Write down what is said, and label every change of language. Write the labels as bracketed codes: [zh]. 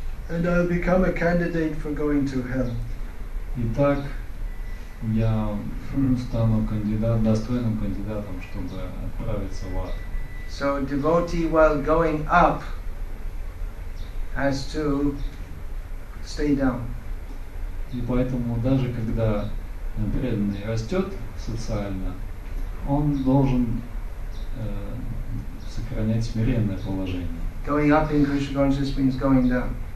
[en] And I'll become a candidate for going to hell. [ru] Итак, я стану кандидат, достойным кандидатом, чтобы отправиться в ад. [en] So a devotee while going up has to stay down. [ru] И поэтому даже когда преданный растет социально, он должен сохранять смиренное положение. [en] Going up in Krishna consciousness means going down.